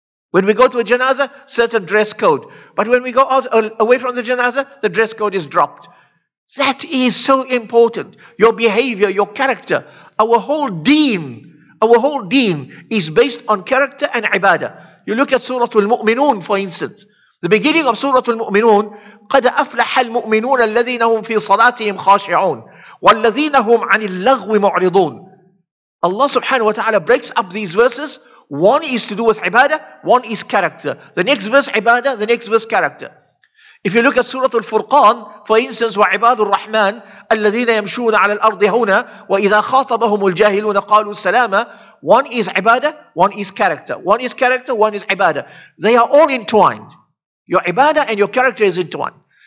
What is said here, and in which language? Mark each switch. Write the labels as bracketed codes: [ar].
[en] When we go to a janazah, certain dress code. But when we go out away from the janazah, the dress code is dropped. That is so important. Your behavior, your character. Our whole deen is based on character and ibadah. You look at Surah Al-Mu'minun, for instance. The beginning of Surah Al-Mu'minun, [ar] قَدْ أَفْلَحَ الْمُؤْمِنُونَ الَّذِينَ هُمْ فِي صَلَاتِهِمْ خَاشِعُونَ وَالَّذِينَ هُمْ عَنِ اللَّغْوِ مُعْرِضُونَ. [en] Allah subhanahu wa ta'ala breaks up these verses. One is to do with ibadah, one is character. The next verse, ibadah, the next verse, character. If you look at Surah Al-Furqan, for instance, [ar] وَعِبَادُ الرَّحْمَنِ الَّذِينَ يَمْشُونَ عَلَى الْأَرْضِ هَوْنَا وَإِذَا خَاطَبَهُمُ الْجَاهِلُونَ قَالُوا السَّلَامَةِ. [en] One is ibadah, one is character. One is character, one is ibadah. They are all entwined. Your ibadah and your character is entwined.